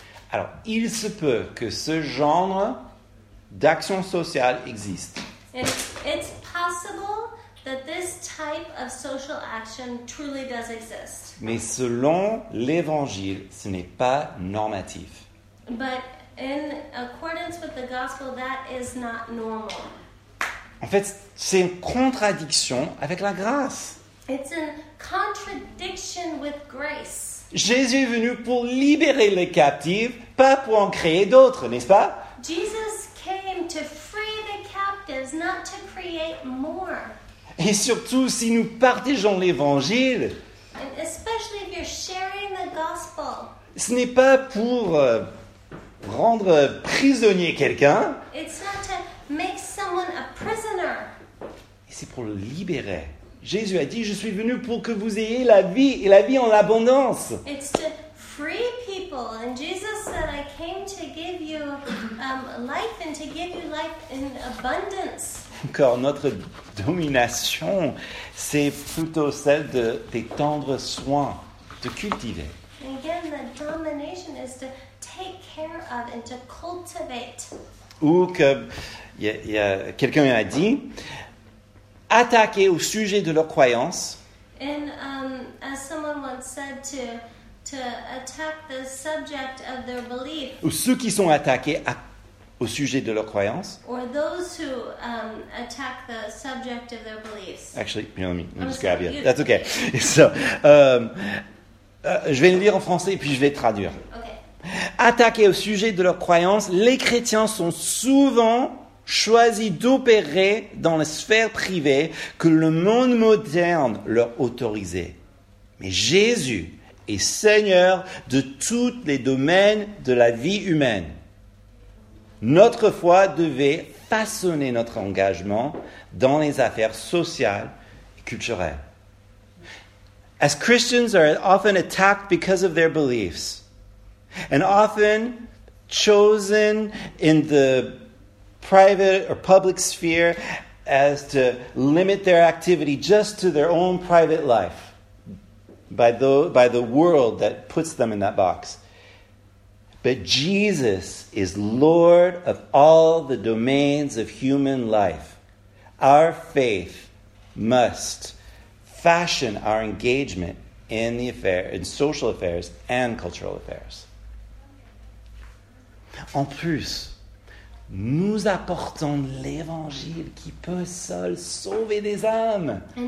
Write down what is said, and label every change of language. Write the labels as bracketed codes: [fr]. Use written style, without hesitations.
[fr] Alors, il se peut que ce genre d'action sociale existe. [en] It's possible that this type of social action truly does exist. [fr] Mais selon l'Évangile, ce n'est pas normatif. [en] But in accordance with the gospel, that is not normal. [fr] En fait, c'est une contradiction avec la grâce. [en] It's a contradiction with grace. [fr] Jésus est venu pour libérer les captives, pas pour en créer d'autres, n'est-ce pas? [en] Jesus came to free the captives, not to create more. [fr] Et surtout, si nous partageons l'Évangile, [en] and especially if you're sharing the gospel, [fr] ce n'est pas pour rendre prisonnier quelqu'un. [en] It's not to make someone a prisoner. [fr] Et c'est pour le libérer. Jésus a dit, je suis venu pour que vous ayez la vie et la vie en abondance. [en] It's to free people. And Jesus said, I came to give you life and to give you life in abundance. [fr] Encore, notre domination, c'est plutôt celle des tendres soins, de cultiver. [en] And again, the domination is to take care of and to cultivate. [fr] Ou que quelqu'un a dit, attaquer au sujet de leur croyance. [en] And as someone once said, to attack the subject of their belief. [fr] Ou ceux qui sont attaqués au sujet de leur croyance. [en] Or those who attack the subject of their beliefs. Actually, you know, let me just grab you. That's okay. [fr] So, je vais le lire en français et puis je vais traduire. [en] Okay. [fr] Attaqués au sujet de leur croyance, les chrétiens sont souvent choisis d'opérer dans la sphère privée que le monde moderne leur autorisait. Mais Jésus est Seigneur de tous les domaines de la vie humaine. Notre foi devait façonner notre engagement dans les affaires sociales et culturelles. [en] As Christians are often attacked because of their beliefs, and often chosen in the private or public sphere as to limit their activity just to their own private life. By the world that puts them in that box. But Jesus is Lord of all the domains of human life. Our faith must fashion our engagement in the affair, in social affairs and cultural affairs. [fr] En plus, nous apportons l'évangile qui peut seul sauver des âmes.